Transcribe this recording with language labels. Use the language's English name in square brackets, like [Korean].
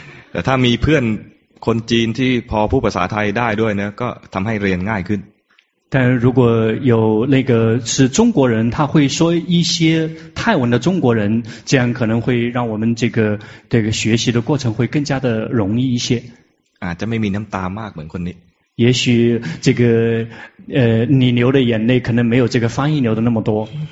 [Thai] แต่ถ้ามีเพื่อนคนจีนที่พอพูดภาษาไทยได้ด้วยเนี่ยก็ทำให้เรียนง่ายขึ้น [Chinese] 但如果有那个是中国人他会说一些泰文的中国人这样可能会让我们这个学习的过程会更加的容易一些 [Thai] อาจจะไม่มีน้ำตามากเหมือนคนนี้ [Chinese] 也许这个你流的眼泪可能没有这个翻译流的那么多